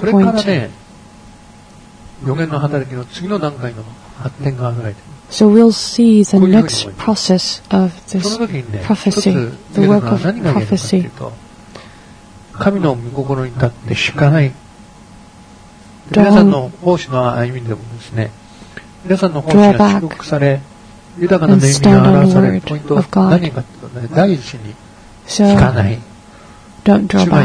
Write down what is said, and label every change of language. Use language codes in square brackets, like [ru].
[ja] これからね、予言の働きの次の段階の発展が考えて。 [en] So we'll see the next process of this prophecy, the work of prophecy. [ja] 神の御心に立って従い。皆さんの奉仕の歩みでもですね、皆さんの奉仕が祝福され、豊かな恵みが表されるポイントは何かというと、大事に引かない。主が